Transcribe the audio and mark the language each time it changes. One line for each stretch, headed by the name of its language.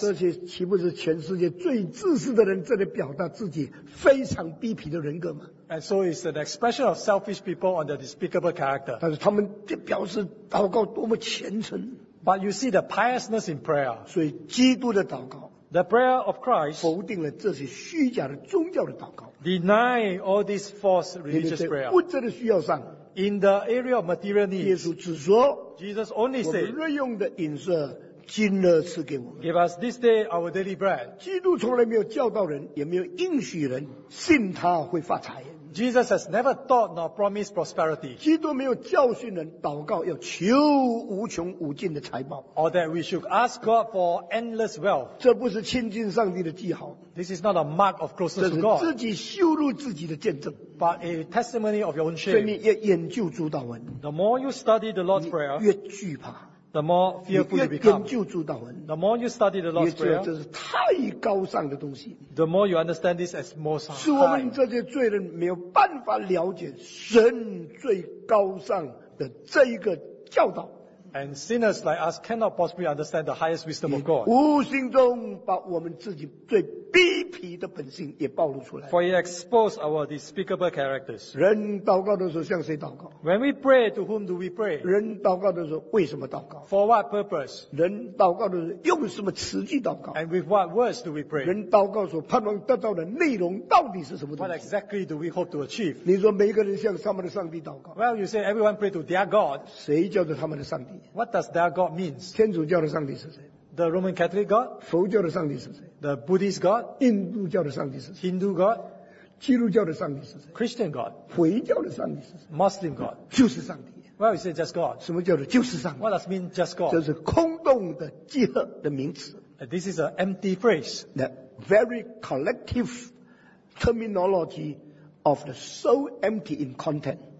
Chinese: 这些岂不是全世界最自私的人在表达自己非常卑鄙的人格吗？
English: And so it's an expression of selfish people on their despicable character.
Chinese: 但是他们表示祷告多么虔诚。
English: But you see the piousness in prayer.
Chinese: 所以基督的祷告。
English: The prayer of Christ
Chinese: 否定了这些虚假的宗教的祷告。
English: Deny all these false religious prayer.
Chinese: 物质的需要上。
English: In the area of material needs,
Chinese: 耶稣只说,
English: Jesus only said,
Chinese: 我们日用的饮食, 今日赐给我们,
English: give us this day our daily bread.
Chinese: 基督从来没有教导人, 也没有应许人, 信他会发财。
English: Jesus has never taught nor promised prosperity.
Chinese: 基督没有教训人, 祷告要求无穷无尽的财宝,
English: or that we should ask God for endless wealth.
Chinese: 这不是亲近上帝的记号,
English: this is not a mark of closeness to God.
Chinese: 这是自己羞辱自己的见证,
English: but a testimony of your own shame.
Chinese: 所以你要研究主祷文,
English: the more you study the Lord's Prayer,
Chinese: 越惧怕,
English: the more fearful you become. The more you study the Lord's Prayer,
Chinese: 这是太高尚的东西,
English: the more you understand this as most high.
Chinese: 使我们这些罪人没有办法了解神最高尚的这一个教导。
English: And sinners like us cannot possibly understand the highest wisdom of God.
Chinese: 无形中把我们自己最卑鄙的本性也暴露出来。
English: For it exposed our despicable characters.
Chinese: 人祷告的时候向谁祷告？
English: When we pray, to whom do we pray?
Chinese: 人祷告的时候为什么祷告？
English: For what purpose?
Chinese: 人祷告的时候用什么词句祷告？
English: And with what words do we pray?
Chinese: 人祷告所盼望得到的内容到底是什么东西？
English: What exactly do we hope to achieve?
Chinese: 你说每一个人向他们的上帝祷告。
English: Well, you say everyone pray to their God.
Chinese: 谁叫做他们的上帝？
English: What does their God means?
Chinese: 天主教的上帝是谁？
English: The Roman Catholic God?
Chinese: 佛教的上帝是谁？
English: The Buddhist God?
Chinese: 印度教的上帝是谁？
English: Hindu God?
Chinese: 基督教的上帝是谁？
English: Christian God?
Chinese: 回教的上帝是谁？
English: Muslim God?
Chinese: 就是上帝。
English: Why you say just God?
Chinese: 什么叫做就是上帝？
English: What does mean just God?
Chinese: 就是空洞的集合的名词。
English: This is an empty phrase. The very collective terminology of the so empty in content.